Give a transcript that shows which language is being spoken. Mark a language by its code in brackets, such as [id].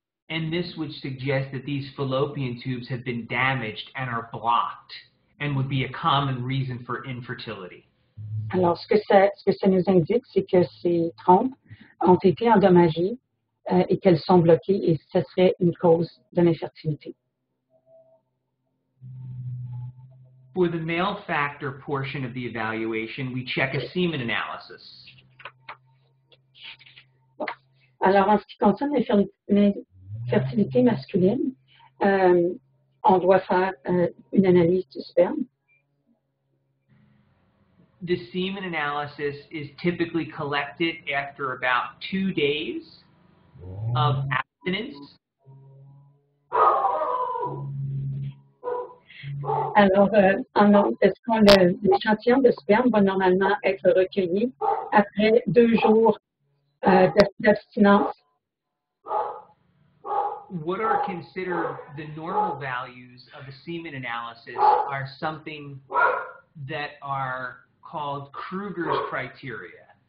[en] And this would suggest that these fallopian tubes have been damaged and are blocked and would be a common reason for infertility. [fr] Alors, ce que ça nous indique, c'est que ces trompes ont été endommagées et qu'elles sont bloquées et ce serait une cause de l'infertilité. [en] For the male factor portion of the evaluation, we check a semen analysis. [fr] Alors, en ce qui concerne l'infertilité masculine, on doit faire une analyse du sperme. [en] The semen analysis is typically collected after about 2 days of abstinence. [fr] Alors, est-ce que l'échantillon de sperme va normalement être recueilli après 2 jours d'abstinence? [en] What are considered the normal values of a semen analysis are something that are called Kruger's criteria.